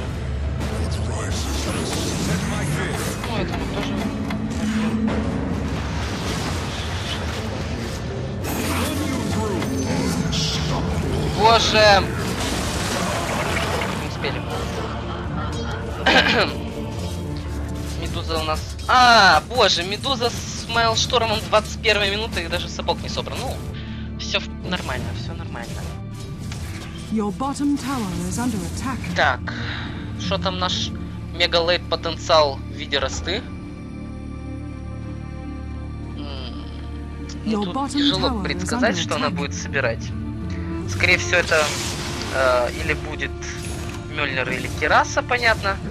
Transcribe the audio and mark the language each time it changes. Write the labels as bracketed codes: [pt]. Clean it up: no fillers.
[ru] Ну, это мы тоже... Боже! Не успели. Медуза у нас... А, боже, Медуза с Майл Штормом 21 минуты и даже сапог не собран. Ну, все нормально, все нормально. [en] Your bottom tower is under attack. [ru] Так, что там наш мегалейт потенциал в виде росты? Ну, тут bottom тяжело tower предсказать, что она будет собирать. Скорее всего, это или будет Мёльнир, или Кираса, понятно.